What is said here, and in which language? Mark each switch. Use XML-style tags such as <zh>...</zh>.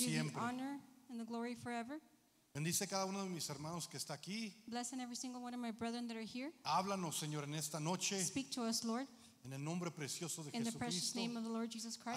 <en>We give you the honor and the glory forever.</en> <es>Bendice cada uno de mis hermanos que está aquí.</es> <en>Bless every single one of my brethren that are here.</en> <es>Háblanos, Señor, en esta noche.</es> <en>Speak to us, Lord.</en> <es>En el nombre precioso de Jesucristo.</es> <en>In the precious name of the Lord Jesus Christ.</en>